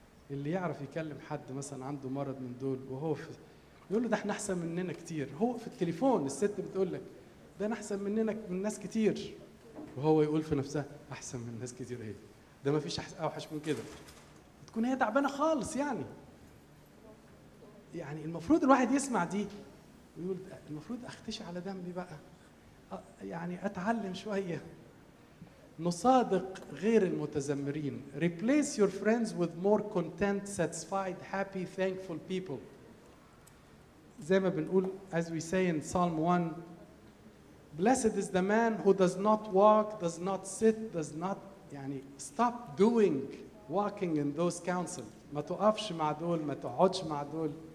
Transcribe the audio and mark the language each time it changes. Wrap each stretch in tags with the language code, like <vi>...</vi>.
<ar>اللي يعرف يكلم حد مثلا عنده مرض من دول وهو يقول له ده احنا احسن مننا كتير، هو في التليفون الست بتقول لك ده انا احسن مننا من ناس كتير، وهو يقول في نفسه احسن من ناس كتير ايه ده، ما فيش اوحش من كده، تكون هي تعبانه خالص. يعني المفروض الواحد يسمع دي ويقول المفروض اختشي على دمي بقى، يعني اتعلم شويه. نصادق غير المتذمرين.</ar> <en>Replace your friends with more content, satisfied, happy, thankful people.</en> <ar>زي ما بنقول</ar> <en>as we say in Psalm 1, blessed is the man who does not walk, does not sit, does not يعني stop doing walking in those council.</en> <ar>ما تقفش مع دول، ما تقعدش مع دول.</ar>